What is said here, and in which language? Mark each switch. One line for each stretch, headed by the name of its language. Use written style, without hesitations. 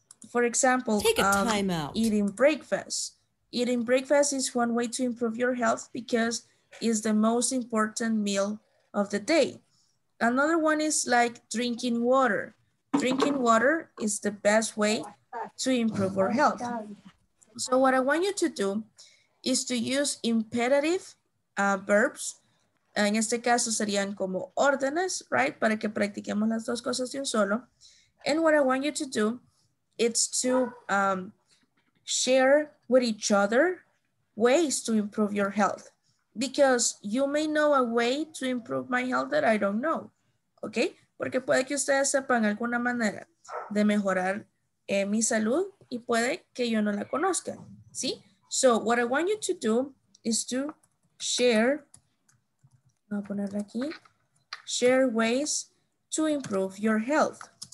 English: For example, eating breakfast. Eating breakfast is one way to improve your health because it's the most important meal of the day. Another one is like drinking water. Drinking water is the best way to improve our health. So what I want you to do is to use imperative verbs.
Spanish: En este caso serían como órdenes, right? Para que practiquemos las dos cosas de un solo.
English: And what I want you to do is to share with each other ways to improve your health. Because you may know a way to improve my health that I don't know. Okay?
Spanish: Porque puede que ustedes sepan alguna manera de mejorar mi salud y puede que yo no la conozca. ¿Sí?
English: So what I want you to do is to share,
Spanish: voy a ponerla aquí,
English: share ways to improve your health.